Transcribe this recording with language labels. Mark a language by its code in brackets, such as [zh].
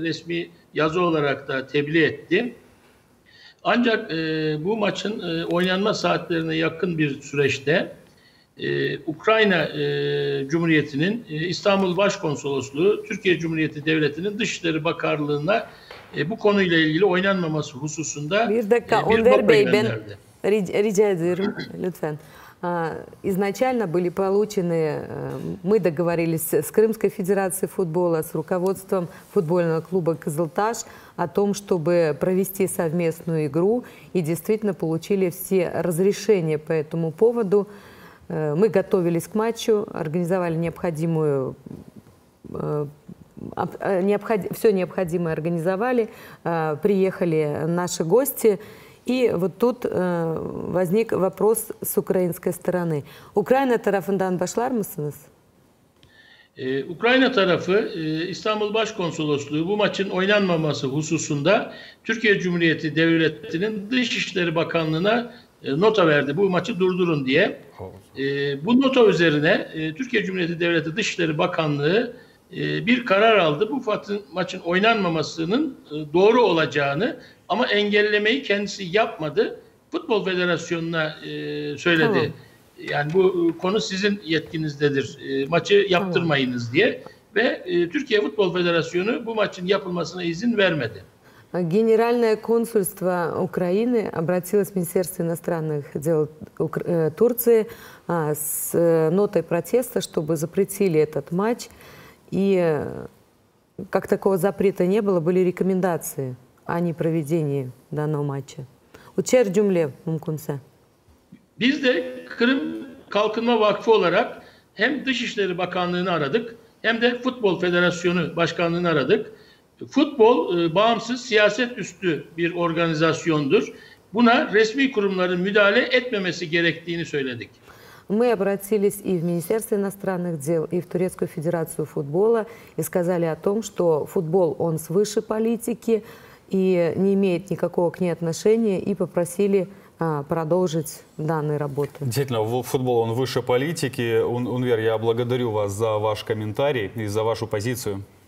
[tr] Resmi yazı olarak da tebliğ etti. Ancak bu maçın oynanma saatlerine yakın bir süreçte Ukrayna Cumhuriyeti'nin İstanbul Başkonsolosluğu Türkiye Cumhuriyeti Devleti'nin Dışişleri Bakanlığı'na bu konuyla ilgili oynanmaması hususunda bir dakika Onur Bey gönderdi. Ben rica ediyorum lütfen. [ru] Изначально были получены, мы договорились с Крымской Федерацией Футбола, с руководством футбольного клуба «Кызылташ» о том, чтобы провести совместную игру, и действительно получили все разрешения по этому поводу. Мы готовились к матчу, организовали все необходимое организовали, приехали наши гости. И вот тут возник вопрос с украинской стороны. [tr] Украина тарафından başlar mısınız? Ukrayna tarafı İstanbul Başkonsolosluğu bu maçın oynanmaması hususunda Türkiye Cumhuriyeti Devleti'nin Dışişleri Bakanlığı'na nota verdi bu maçı durdurun diye. Bu nota üzerine Türkiye Cumhuriyeti Devleti Dışişleri Bakanlığı bir karar aldı. Bu maçın oynanmamasının doğru olacağını ama engellemeyi kendisi yapmadı. Futbol Federasyonu'na söyledi. Tamam. Yani bu konu sizin yetkinizdedir. Maçı yaptırmayınız tamam. diye. Ve Türkiye Futbol Federasyonu bu maçın yapılmasına izin vermedi. [ru] Генеральное консульство Украины обратилось в Министерство иностранных дел Турции с нотой протеста, чтобы запретили этот матч. И как такого запрета не было, были рекомендации о непроведении данного матча. [tr] Учер джумле мумкунса. Biz de Kırım Kalkınma Vakfı olarak hem Dışişleri Bakanlığı'nı aradık, hem de Futbol Federasyonu Başkanlığı'nı aradık. Futbol bağımsız, siyaset üstü bir organizasyondur. Buna resmi kurumların müdahale etmemesi gerektiğini söyledik. [ru] Мы обратились и в Министерство иностранных дел, и в Турецкую Федерацию Футбола и сказали о том, что футбол, он свыше политики и не имеет никакого к ней отношения, и попросили продолжить данные работы. Действительно, футбол, он выше политики. Унвер, я благодарю вас за ваш комментарий и за вашу позицию.